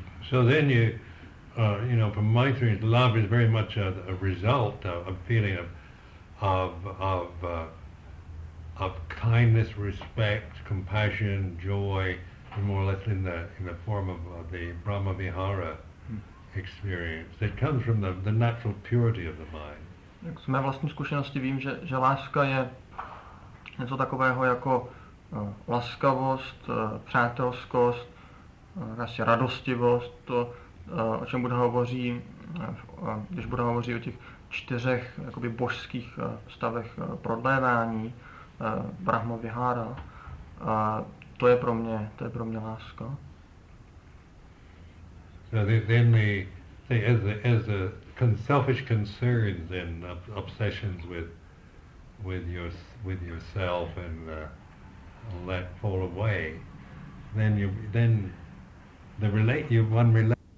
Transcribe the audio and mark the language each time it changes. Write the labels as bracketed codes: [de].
[en] So then you, you know, from my experience, love is very much a result of a feeling of kindness, respect, compassion, joy, more or less in the form of the Brahma Vihara experience. It comes from the natural purity of the mind. [cs] Tak z mé vlastní zkušenosti vím, že láska je něco takového jako laskavost, přátelskost, asi radostivost, to, o čem Buddha hovoří, když Buddha hovoří o těch čtyřech jakoby božských stavech prodlévání, Brahma Vihara, to je pro mě láska. [en] So then as the selfish concerns and obsessions with yourself and let fall away, then you relate.